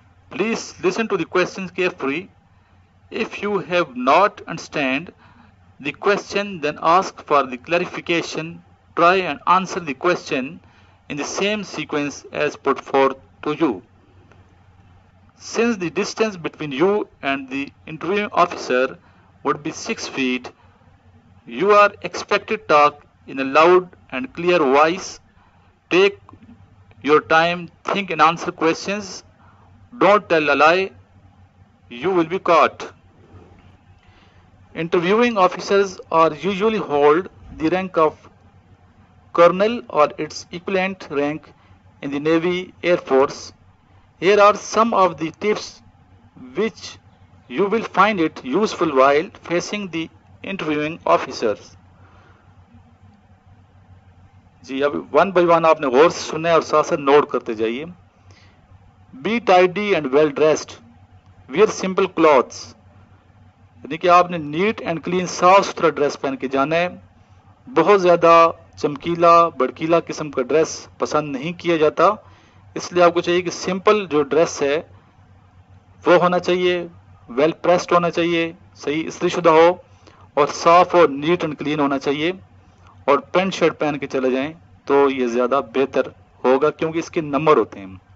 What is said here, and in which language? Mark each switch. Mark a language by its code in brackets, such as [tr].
[en] Please listen to the question carefully. If you have not understand the question then ask for the clarification. Try and answer the question in the same sequence as put forth to you. Since the distance between you and the interview officer would be 6 feet, you are expected to talk in a loud and clear voice. Take your time, think and answer questions, don't tell a lie, you will be caught. Interviewing officers are usually hold the rank of colonel or its equivalent rank in the Navy Air Force. Here are some of the tips which you will find it useful while facing the interviewing officers. [ur] جی، اب one by one آپ نے غور سے سنیں اور ساتھ ساتھ note کرتے جائیے. [en] be tidy and well dressed, wear simple clothes, [ur] یعنی کہ آپ نے نیٹ اینڈ کلین صاف ستھرا ڈریس پہن کے جانا ہے. بہت زیادہ چمکیلا بڑکیلا قسم کا ڈریس پسند نہیں کیا جاتا، اس لیے آپ کو چاہیے کہ سمپل جو ڈریس ہے وہ ہونا چاہیے، [en] well pressed [ur] ہونا چاہیے، صحیح استری شدہ ہو، اور صاف اور نیٹ اینڈ کلین ہونا چاہیے، اور پینٹ شرٹ پہن کے چلے جائیں تو یہ زیادہ بہتر ہوگا، کیونکہ اس کے نمبر ہوتے ہیں.